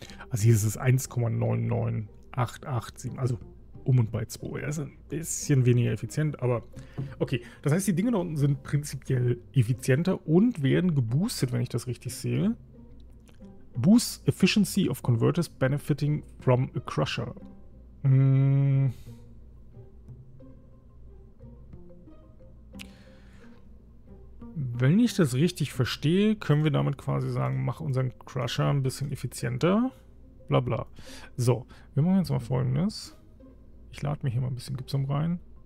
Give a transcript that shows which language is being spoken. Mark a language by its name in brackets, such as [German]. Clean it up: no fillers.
[German] Also hier ist es 1,99887, also um und bei 2. Er ist ein bisschen weniger effizient, aber okay. Das heißt, die Dinge da unten sind prinzipiell effizienter und werden geboostet, wenn ich das richtig sehe. [English] Boost Efficiency of Converters Benefiting from a Crusher. [German] Wenn ich das richtig verstehe, können wir damit quasi sagen, mach unseren Crusher ein bisschen effizienter. Bla bla. So, wir machen jetzt mal Folgendes. Ich lade mir hier mal ein bisschen Gypsum rein.